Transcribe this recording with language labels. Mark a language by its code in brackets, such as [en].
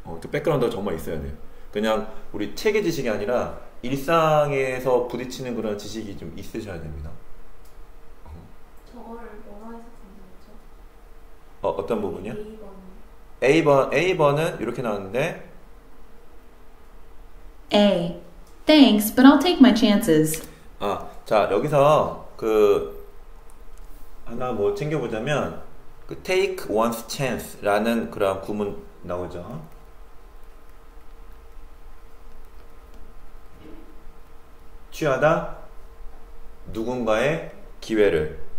[ko] 백그라운드가 정말 있어야 돼요. 그냥 우리 책의 지식이 아니라 일상에서 부딪히는 그런 지식이 좀 있으셔야 됩니다. 저걸 뭐라 하셨던 거죠? 어떤 부분이요? A번. A번은 이렇게 나왔는데 [en] A. Thanks, but I'll take my chances. [ko] 자, 여기서 하나 뭐 챙겨보자면 그 [en] take one's chance [ko] 라는 그런 구문 나오죠. 취하다 누군가의 기회를.